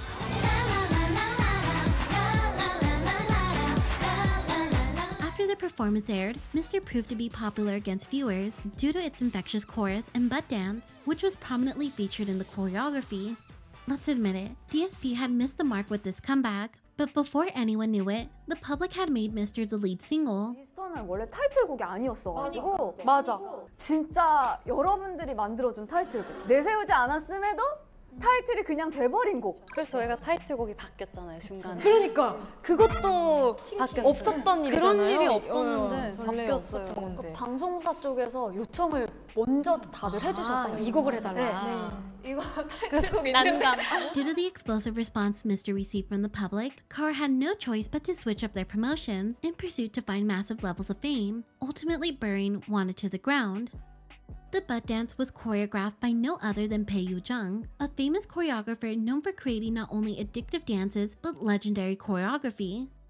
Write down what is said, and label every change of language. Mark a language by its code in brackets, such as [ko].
[en] After the performance aired, Mister proved to be popular against viewers due to its infectious chorus and butt dance, which was prominently featured in the choreography. Let's admit it, DSP had missed the mark with this comeback, but before anyone knew it, the public had made Mister the lead single. [ko] Mister는 원래 타이틀곡이 아니었어가지고 맞아. 진짜 여러분들이 만들어준 타이틀곡. 내세우지 않았음에도 타이틀이 그냥 돼버린 곡. 그래서 저희가 타이틀곡이 바뀌었잖아요, 중간에. 그러니까 그것도 바뀌었어요. 없었던 일이잖아요. 그런 일이 없었는데 바뀌었어요. 그 방송사 쪽에서 요청을 먼저 다들 해주셨어요. 이 곡을 해달라. 네. 네. 이거 타이틀곡 있는데. [en] Due to the explosive response Mister received from the public, KARA had no choice but to switch up their promotions in pursuit to find massive levels of fame, ultimately burying Wanna to the ground. The butt dance was choreographed by no other than Pei Yu Jung, a famous choreographer known for creating not only addictive dances but legendary choreography.